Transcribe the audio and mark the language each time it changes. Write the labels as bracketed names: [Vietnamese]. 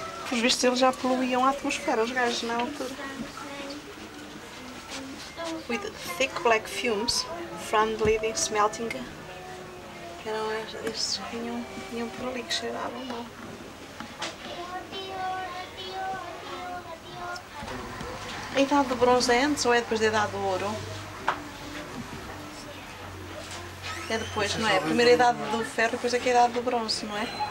[Portuguese] Os vistos eles já poluíam a atmosfera, os gajos na altura. [English] With thick black fumes from the leading smelting. [Portuguese] Que eram estes que vinham por ali, que cheiravam mal. A idade do bronze é antes ou é depois da idade do ouro? É depois, não é? A primeira idade do ferro e depois é que é a idade do bronze, não é?